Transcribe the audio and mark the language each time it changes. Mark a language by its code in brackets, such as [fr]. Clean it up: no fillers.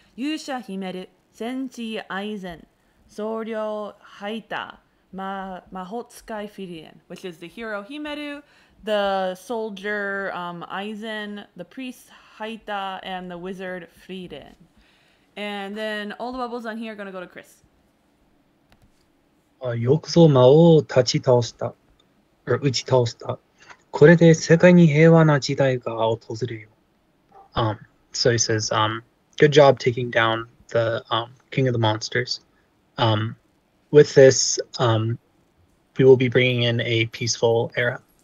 [ja] Yusha himeru. Senshi aizen. Soryo haita. Mahotsukai firien. [en] Which is the hero himeru. The soldier aizen. The priest Haita and the wizard Frieren. And then all the bubbles on here are going to go to Chris. [ja] よくぞ魔王を立ち倒した。打ち倒した。これで世界に平和な時代が訪れるよ。 [en] So he says, good job taking down the king of the monsters. With this, we will be bringing in a peaceful era.